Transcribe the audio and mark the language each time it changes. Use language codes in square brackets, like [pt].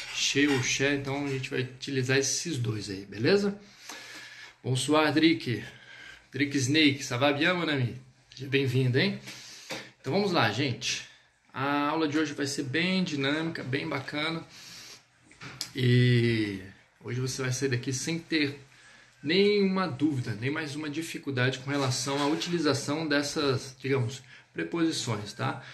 [pt] Che ou che, então a gente vai utilizar esses dois aí, beleza? [fr] Bonsoir, Drick. Drick Snake, ça va bien, mon ami? [pt] Seja bem-vindo, hein? Então vamos lá, gente. A aula de hoje vai ser bem dinâmica, bem bacana. E hoje você vai sair daqui sem ter nenhuma dúvida, nem mais uma dificuldade com relação à utilização dessas, digamos, preposições, tá?